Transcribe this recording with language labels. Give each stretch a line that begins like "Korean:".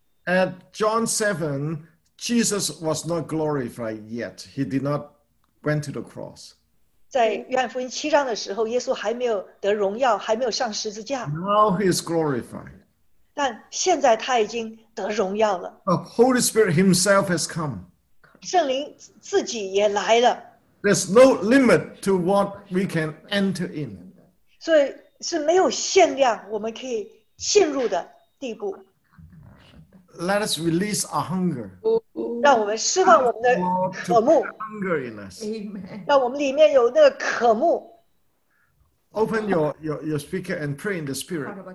English: at John 7, Jesus was not glorified yet. He did not went to the cross.
Chinese: 在约翰福音七章的时候, 耶稣还没有得荣耀, 还没有上十字架,
English: now he is glorified.
Chinese: 但现在他已经得荣耀了。
English: The Holy Spirit himself has come.
Chinese: 圣灵自己也来了。
English: There's no limit to what we can enter in.
Chinese: So, 是没有限量我们可以进入的地步。
English: Let us release our hunger.
Chinese: 让我们释放我们的渴慕。
English: Hunger in us. Amen.
Chinese: 让我们里面有那个渴慕。
English: Open your speaker and pray in the spirit.